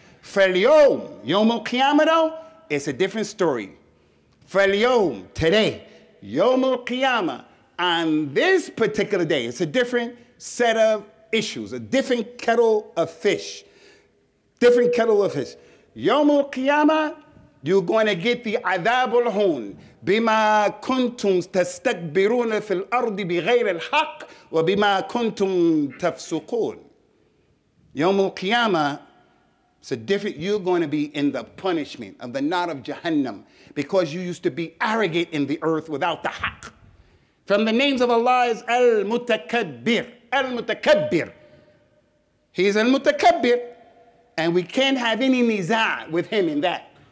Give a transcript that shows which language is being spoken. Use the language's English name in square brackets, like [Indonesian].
[Arabic] فَالْيَوْمْ يَوْمُ الْقِيَامَةِ [English] though, it's a different story. [Arabic] فَالْيَوْمْ [English] today, [Arabic] يَوْمُ الْقِيَامَةِ [English] on this particular day, it's a different set of issues, a different kettle of fish. Different kettle of fish. [Arabic] يَوْمُ الْقِيَامَةِ [English] you're going to get the [Arabic] عَذَابُ الْهُونَ بِمَا كُنْتُمْ تَسْتَكْبِرُونَ فِي الْأَرْضِ بِغَيْرِ الْحَقِّ وَبِمَا كُنْتُمْ تَفْسُقُونَ. [English] Yawm al-Qiyamah, it's a different, you're going to be in the punishment of the knot of Jahannam because you used to be arrogant in the earth without the haqq. From the names of Allah is al-Mutakabbir, al-Mutakabbir. He's al-Mutakabbir, and we can't have any niza' with him in that.